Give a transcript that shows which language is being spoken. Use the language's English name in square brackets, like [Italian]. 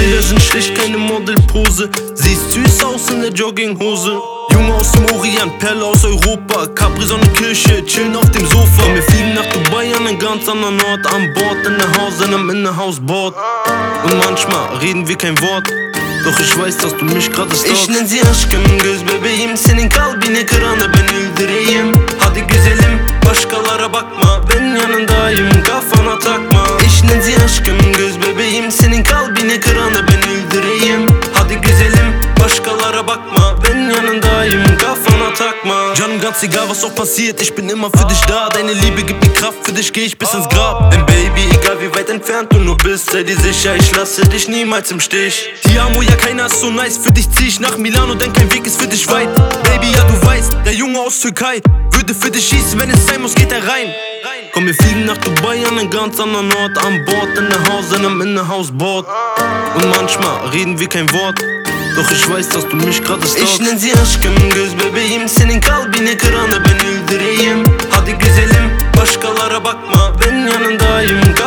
[German] Bilder sind schlicht keine Modelpose, siehst süß aus in der Jogginghose. Junge aus dem Orient, Perle aus Europa, Capri Sonne Kirche, chillen auf dem Sofa. Wir fliegen nach Dubai an einen ganz anderen Ort, an Bord, in der Haus, in einem Houseboard. Und manchmal reden wir kein Wort, doch ich weiß, dass du mich gerade stalkst. Ich nenn sie [Turkish] aşkım, göz bebeğim, senin kalbini kırana ben öldüreyim. Hadi güzelim, başkalara bakma, ben yanındayım, kafana takma. [German] Ich nenn sie [Turkish] aşkım, göz bebeğim, senin kalbini kırana ben öldüreyim. Hadi güzelim, başkalara bakma, ben yanındayım, kafana takma. [German] Canım ganz egal, was auch passiert, ich bin immer für dich da. Deine Liebe gibt mir Kraft, für dich geh ich bis ins Grab. Denn Baby, egal wie weit entfernt du nur bist, sei dir sicher, ich lasse dich niemals im Stich. Hier amo, ja keiner ist so nice, für dich zieh ich nach Milano, denn kein Weg ist für dich weit. Baby, ja du weißt, der Junge aus Türkei würde für dich schießen, wenn es sein muss, geht er rein. Komm, wir fliegen nach Dubai an einen ganz anderen Ort, an Bord, in der Haus, in einem Houseboard. Und manchmal reden wir kein Wort, doch ich weiß, dass du mich gerade stalkst. Ich nenn sie [Turkish] aşkım, göz bebeğim, senin kalbini kırana ben öldüreyim. Hadi güzelim, başkalara bakma, ben yanındayım,